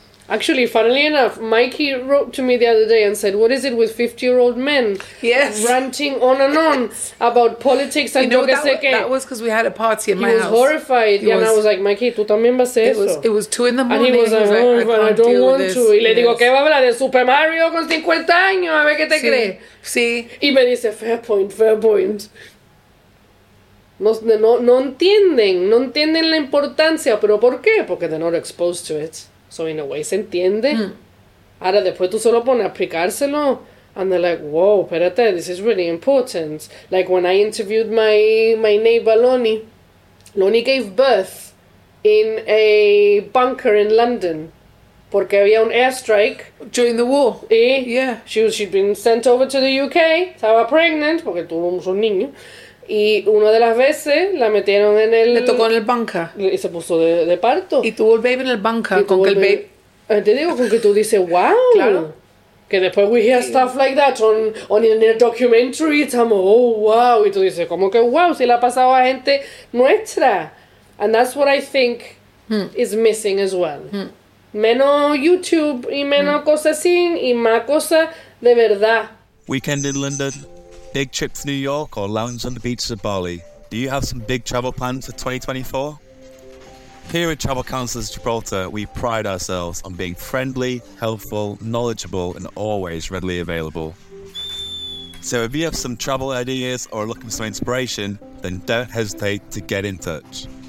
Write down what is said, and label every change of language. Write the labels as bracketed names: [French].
[English] Actually, funnily enough, Mikey wrote to me the other day and said, what is it with 50-year-old men ranting on and on about politics and [Spanish] yo que sé qué? [English] That was because we had a party in my house. He was horrified. And I was like, Mikey, [Spanish] tú también vas a hacer eso. [English] It was 2 in the morning. And he was like, oh, I don't want to. [Spanish] Y le digo, ¿qué va a hablar de Super Mario con 50 años? A ver qué te crees. Sí. Y me dice, [English] fair point. [Spanish] No entienden la importancia. ¿Pero por qué? Porque [English] they're not exposed to it. So in a way, [Spanish] ¿se entiende? Ahora después tú solo pones a explicárselo. [English] And they're like, wow, espérate, this is really important. Like when I interviewed my neighbor, Lonnie gave birth in a bunker in London. [Spanish] Porque había un airstrike. [English] During the war. [Spanish] Y [English] she'd been sent over to the UK. [Spanish] Estaba pregnant, porque tuvo un niño. Y una de las veces la metieron en el... Le tocó en el bunker. Y se puso de parto. Y tuvo el baby en el bunker. Y con que el baby... Te digo, con que tú dices, wow. Claro. Que después [English] we hear stuff like that on in a documentary. [Spanish] Estamos, oh, wow. Y tú dices, ¿cómo que wow? Si le ha pasado a gente nuestra. [English] And that's what I think is missing as well. [Spanish] Menos YouTube y menos cosas así y más cosas de verdad. [English] Weekend in London. Big trip to New York or lounge on the beaches of Bali? Do you have some big travel plans for 2024? Here at Travel Counsellors Gibraltar, we pride ourselves on being friendly, helpful, knowledgeable and always readily available. So if you have some travel ideas or are looking for some inspiration, then don't hesitate to get in touch.